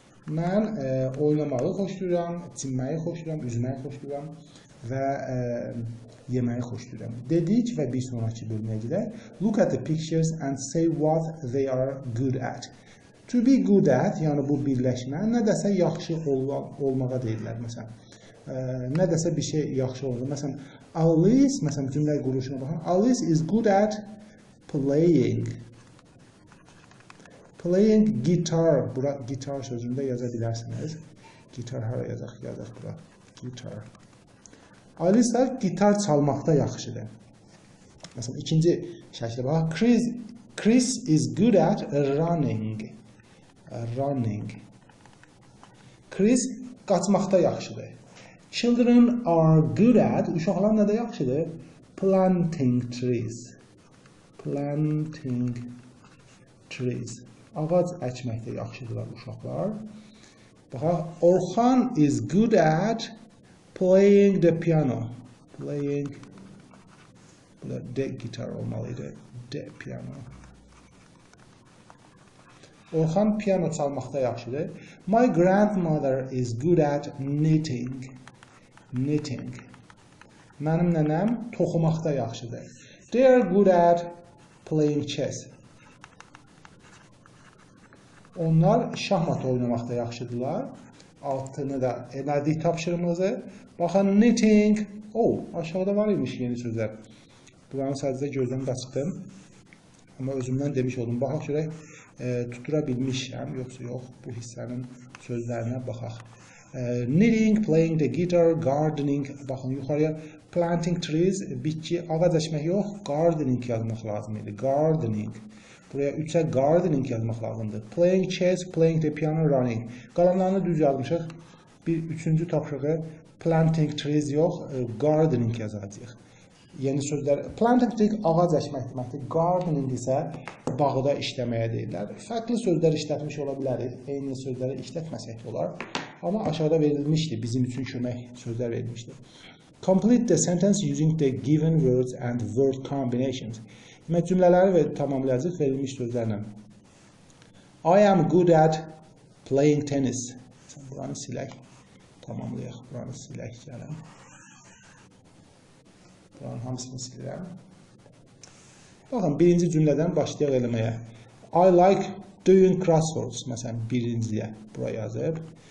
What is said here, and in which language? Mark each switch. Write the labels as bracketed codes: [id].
[az] Mən oynamağı xoşlayıram, çimməyi xoşlayıram, üzməyi xoşlayıram və yeməyi xoşlayıram. Dedik və bir sonraki bölməyə gedək. [en] Look at the pictures and say what they are good at. To be good at, [az] yəni bu birləşmə, nədəsə yaxşı olmağa deyirlər, məsələn. Nədəsə bir şey yaxşı olmaq. Məsələn, Alice, məsələn, cümlə quruluşuna baxan, [en] Alice is good at playing. [az] Playing guitar, bura guitar sözündə yaza bilərsiniz. Guitar hara yazaq, yazaq bura. Guitar. Alice guitar çalmaqda yaxşıdır. Məsələn, ikinci şəkildə baxaq. [en] Chris is good at running. Running. [az] Chris qaçmaqda yaxşıdır. [en] Children are good at, [az] uşaqlar nədə yaxşıdır? [en] Planting trees. Planting trees. [az] Ağac əkməkdə yaxşıdırlar uşaqlar. Baxaq, [en] Orxan is good at playing the piano. [az] Playing, bu da de gitar olmalıydı, de piano. Orxan piano çalmaqda yaxşıdır. [en] My grandmother is good at knitting. Knitting. [az] Mənim nənəm toxumaqda yaxşıdır. [en] They are good at playing chess. [az] Onlar şahmat oynamaqda yaxşıdırlar. Altını da elədik tapışırmızı. Baxın, knitting. Oh, aşağıda var imiş yeni sözlər. Buranı sadəcə gözdən qaçıqdım. Amma özümdən demiş oldum. Baxaq görək, tutura bilmişəm, yoxsa yox, bu hissənin sözlərinə baxaq. [en] Knitting, playing the guitar, gardening, [az] baxın yuxarıya, [en] planting trees, [az] bitki, ağac əkmək yox, [en] gardening [az] yazmaq lazım idi, [en] gardening. [az] Buraya üçə gardening yazmaq lazımdır. [en] Playing chess, playing the piano, running. [az] Qalanlarını düz yazmışıq, bir üçüncü tapışıqı, planting trees yox, gardening yazacaq. Yeni sözlər, planting trees, ağac əkmək deməkdir, gardening isə bağda işləməyə deyirlər. Fərqli sözlər işlətmiş ola bilərik, eyni sözləri işlətməsək olar. Amma aşağıda verilmişdir, bizim üçün kömək sözlər verilmişdir. [en] Complete the sentence using the given words and word combinations. [az] Demək, cümlələri tamamlayacaq verilmiş sözlərlə. [en] I am good at playing tennis. [az] Buranı silək. Tamamlayaq. Buranı silək. Gələm. Buranın hamısını silirəm. Baxın, birinci cümlədən başlayaq eləməyə. [en] I like doing crosswords. [az] Məsələn, birinciyə bura yazıb.